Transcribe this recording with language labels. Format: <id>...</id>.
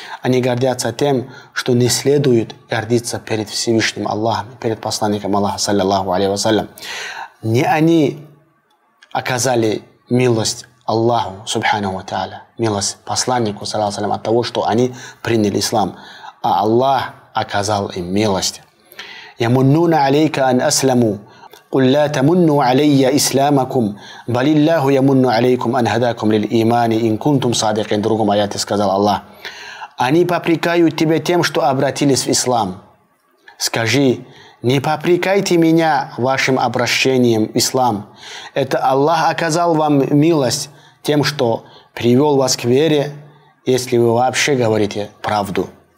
<ru>Они гордятся тем, что не следует гордиться перед Всевышним Аллахом, перед посланником Аллаха, саллиллаху алейхи вассалям. Не они оказали милость Аллаху, субханаху ва тааля, милость посланнику, саллиллаху алейхи вассалям, от того, что они приняли ислам. А Аллах оказал им милость.</ru> <ar>«Ямуннуна алейка ан асламу». قل لا تمنوا علي إسلامكم بل الله يمن عليكم أن هداكم للإيمان إن كنتم صادقين.</ar> <ru>Другом аяте сказал Аллах: они попрекают тебя тем, что обратились в ислам. Скажи: не попрекайте меня вашим обращением в ислам. Это Аллах оказал вам милость тем, что привел вас к вере, если вы вообще говорите правду.</ru>